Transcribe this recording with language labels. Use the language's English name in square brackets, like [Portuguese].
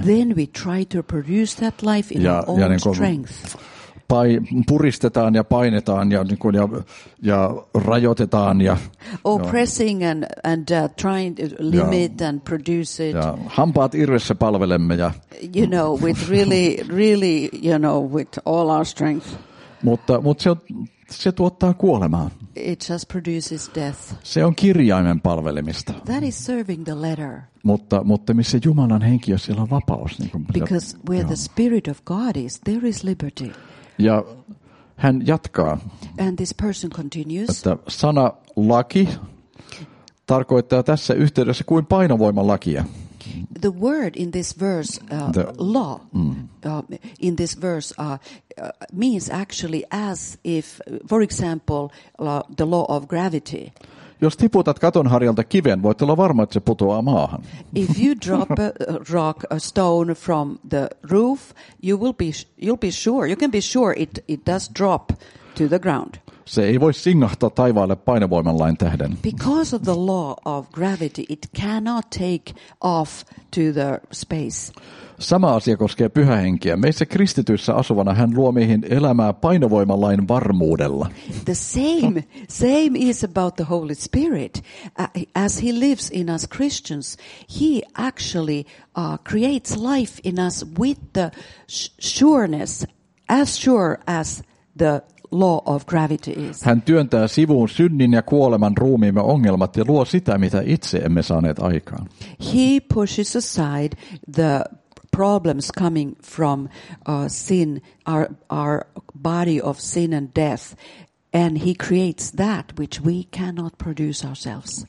[English] Then we try to produce that life in our own strength. [Finnish] Puristetaan ja painetaan ja rajoitetaan ja [English] oppressing and trying to limit and produce it. [Finnish] Ja hampaat irvessä palvelemme ja [English] you know with really you know with all our strength. [Finnish] Mutta se tuottaa kuolemaa. [English] It just produces death. [Finnish] Se on kirjaimen palvelemista. [English] That is serving the letter. [Finnish] Mutta missä Jumalan henki on, siellä on vapaus. Niin kuin, [English] because where the spirit of God is, there is liberty. [Finnish] Ja hän jatkaa. [English] And this person continues. [Finnish] Että sana laki tarkoittaa tässä yhteydessä kuin painovoiman lakia. [English] The word in this verse, law, in this verse means actually as if, for example, the law of gravity. [Finnish] Jos tiputat katonharjalta kiven, voit olla varma, että se putoaa maahan. [English] If you drop a rock, a stone from the roof, you'll be sure, you can be sure it does drop to the ground. [Finnish] Se ei voi singahtaa taivaalle painovoiman lain tähden. [English] Because of the law of gravity, it cannot take off to the space. [Finnish] Sama asia koskee Pyhää Henkeä. Meissä kristityissä asuvana hän luo meihin elämää painovoiman lain varmuudella. [English] The same is about the Holy Spirit. As he lives in us Christians, he actually creates life in us with the sureness, as sure as the law of gravity is. [Finnish] Hän työntää sivuun synnin ja kuoleman ruumiimme ongelmat ja luo sitä, mitä itse emme saaneet aikaan. [English] He pushes aside the problems coming from sin, our body of sin and death, and he creates that which we cannot produce ourselves.